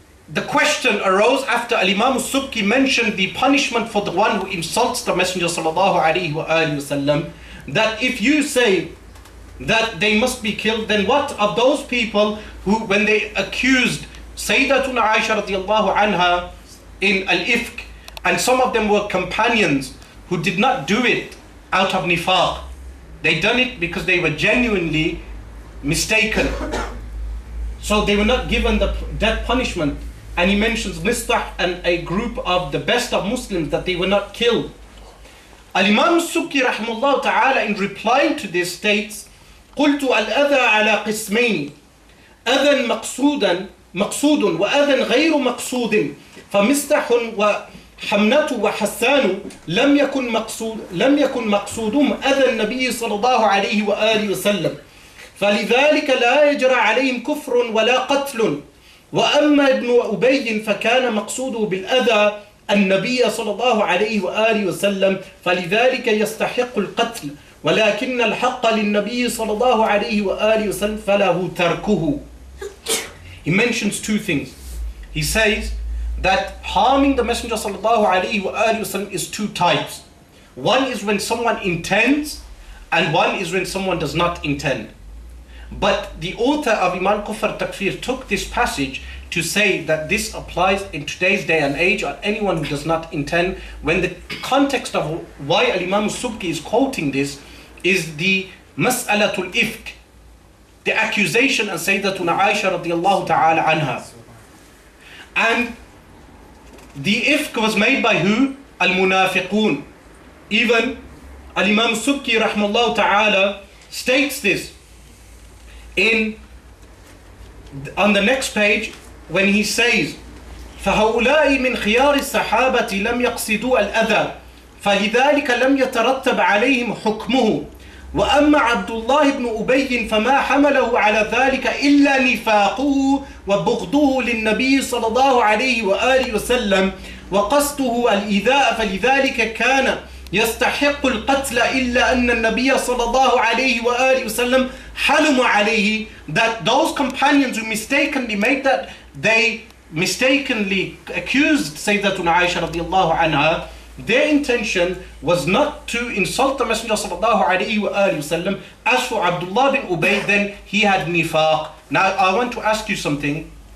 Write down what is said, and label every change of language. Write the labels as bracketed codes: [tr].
[en] The question arose after Al-Imam al-Subki mentioned the punishment for the one who insults the Messenger sallallahu alayhi wa alayhi wa sallam, that if you say that they must be killed, then what of those people who, when they accused Sayyidatuna Aisha radiallahu anha in Al-Ifk, and some of them were companions who did not do it out of nifaq, they done it because they were genuinely mistaken. So they were not given the death punishment. And he mentions Mistah and a group of the best of Muslims that they were not killed. Al-Imam al-Subki rahimahullah ta'ala in replying to this states, [ar] قُلْتُ الْأَذَى عَلَىٰ قِسْمَيْنِ أَذًى مَقْصُودٌ وَأَذًى غَيْرُ مَقْصُودٍ فَمِسْتَحٌ وَحَمْنَةُ وَحَسَّانُ لَمْ يَكُنْ مَقْصُودُهُمْ أَذَى النَّبِيِّ صَلَى اللَّهُ عَلَيْهِ وَآلِهِ وَسَلَّمْ فَلِذَلِكَ لَا يَجْرَى عَلَيْهِمْ كُفْرٌ وَلَا قَتْلٌ وَأَمَّا ابْنُ أُبَيٍّ فَكَانَ مَقْصُودُهُ بِالْأَذَى النَّبِيَّ صَلَى اللَّهُ عَلَيْهِ وَآلِهِ وَسَلَّمْ فَلِذَلِكَ يَسْتَحِقُّ الْقَتْلَ وَلَكِنَّ الْحَقَّ لِلنَّبِيِّ صَلَى اللَّهُ عَلَيْهِ وَآلِهِ وَسَلَّمْ فَلَهُ تَرْكُهُ. [en] He mentions two things. He says that harming the Messenger صلى الله عليه وآله وسلم is two types. One is when someone intends, and one is when someone does not intend. But the author of Iman Kufr Takfir took this passage to say that this applies in today's day and age on anyone who does not intend, when the context of why Al-Imam al-Subki is quoting this is the Mas'alatul Ifk, the accusation of Sayyidatuna Aisha radiallahu ta'ala anha. And the Ifk was made by who? Al-Munafiqoon. Even Al-Imam al-Subki rahmallahu ta'ala states this on the next page, when he says, [ar] فَهَؤُلَاءِ مِنْ خِيَارِ السَّحَابَةِ لَمْ يَقْصِدُوا الْأَذَى فَلِذَلِكَ لَمْ يَتَرَتَّبْ عَلَيْهِمْ حُكْمُهُ وَأَمَّا عَبْدُ اللَّهِ بْنُ أُبَيٍّ فَمَا حَمَلَهُ عَلَى ذَلِكَ إِلَّا نِفَاقُهُ وَبُغْضُهُ لِلنَّبِيِّ صَلَى اللَّهُ عَلَيْهِ وَآلِهِ وَسَلَّمَ وَقَصْدُهُ الْإِذَاءَ فَلِذَلِكَ كَانَ يستحق القتل إلا أن النبي صلى الله عليه وآله وسلم حلم عليه. [en] That those companions who mistakenly made that, they mistakenly accused Sayyidatuna Aisha رضي الله عنها, their intention was not to insult the Messenger صلى الله عليه وآله وسلم. As for Abdullah bin Ubay, then he had nifaq. Now I want to ask you something.